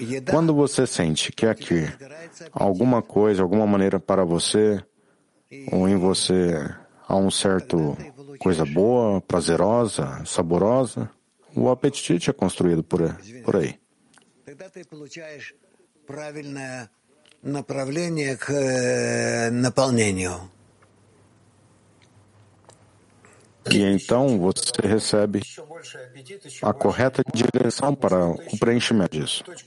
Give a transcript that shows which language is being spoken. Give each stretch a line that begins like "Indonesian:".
Portuguese: Quando você sente que aqui alguma coisa, alguma maneira para você, ou em você, há um certo coisa boa, prazerosa, saborosa, O apetite é construído por aí.
Russian: Тогда ты получаешь правильное направление к наполнению.
Portuguese: E então você recebe a correta direção para o preenchimento disso.